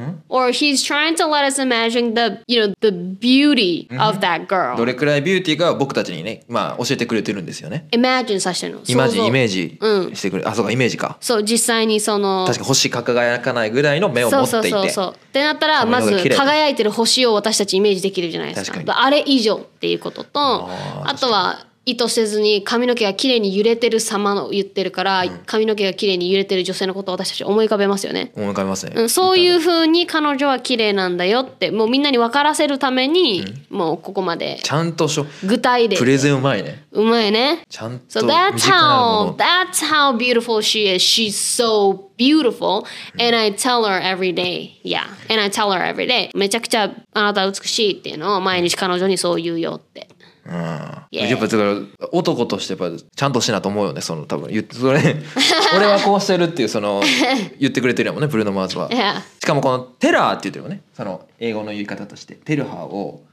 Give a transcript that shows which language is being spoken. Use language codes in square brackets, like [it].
[en] Or he's trying to let us imagine the, you know, the beauty of that girl. [ja] どれくらいビューティーか僕たちにね、まあ教えてくれてるんですよね。 Imagine させてるの。イメージしてくれる。あ、そうか、イメージか。そう、実際にその。確か星輝かないぐらいの目を持っていて。そう。ってなったら、まず輝いてる星を私たちイメージできるじゃないですか。確かに。あれ以上っていうことと、あとは、意図せずに髪の毛が綺麗に揺れてる様を言ってるから、うん、髪の毛が綺麗に揺れてる女性のことを私たち思い浮かべますよね。思い浮かべますね、うん、そういう風に彼女は綺麗なんだよってもうみんなに分からせるために、うん、もうここまでちゃんとしょ具体でプレゼンうまいね。うまいね。ちゃんと身近なもの。 [en] So that's how beautiful she is. She's so beautiful and I tell her every day. Yeah, and I tell her every day. [ja] めちゃくちゃあなた美しいっていうのを毎日彼女にそう言うよって。うん、やっぱだから男としてやっぱちゃんとしなと思うよね。その多分言ってそれ俺はこうしてるっていうその言ってくれてるもんね、ブルーノ・マーズは。しかもこのテラーって言ってるもんね、その英語の言い方としてテルハーを、